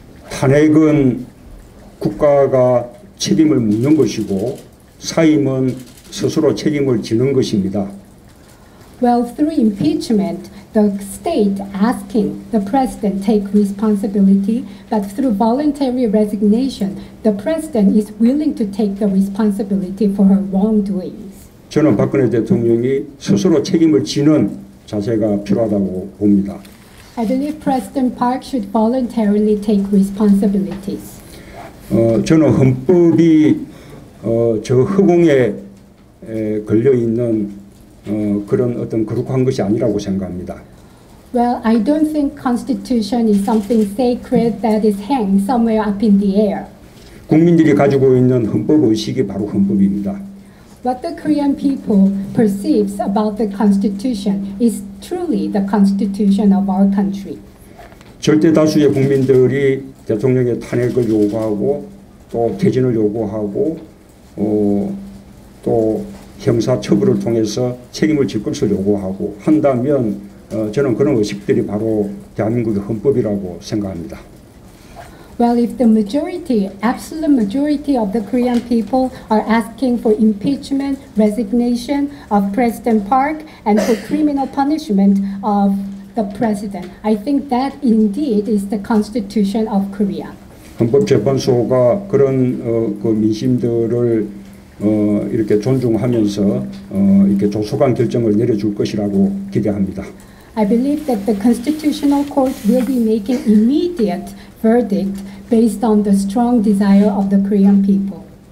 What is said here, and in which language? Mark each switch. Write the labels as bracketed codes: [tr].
[ko] 탄핵은 국가가 책임을 묻는 것이고 사임은 스스로 책임을 지는 것입니다. [en] Well, through impeachment, the state asking the president take responsibility, but through voluntary resignation, the president is willing to take the responsibility for her wrongdoings. [ko] 저는 박근혜 대통령이 스스로 책임을 지는 자세가 필요하다고 봅니다. [en] I believe President Park should voluntarily take responsibilities. [ko] 저는 헌법이 저 허공에 걸려 있는 그런 어떤 거룩한 것이 아니라고 생각합니다. [en] Well, I don't think constitution is something sacred that is hang somewhere up in the air. [ko] 국민들이 가지고 있는 헌법 의식이 바로 헌법입니다. [en] What the Korean people perceives about the constitution is truly the constitution of our country. [ko] 절대 다수의 국민들이 대통령의 탄핵을 요구하고 또 퇴진을 요구하고 또 형사 처벌을 통해서 책임을 질 것을 요구하고 한다면 저는 그런 의식들이 바로 대한민국의 헌법이라고 생각합니다. [en] Well, if the majority, absolute majority of the Korean people are asking for impeachment, resignation of President Park, and for criminal punishment of the president, I think that indeed is the constitution of Korea. [ko] 헌법재판소가 그런 그 민심들을 이렇게 존중하면서 이렇게 조속한 결정을 내려줄 것이라고 기대합니다. [en] I believe that the constitutional court will be making immediate verdict based on the strong desire of the Korean people.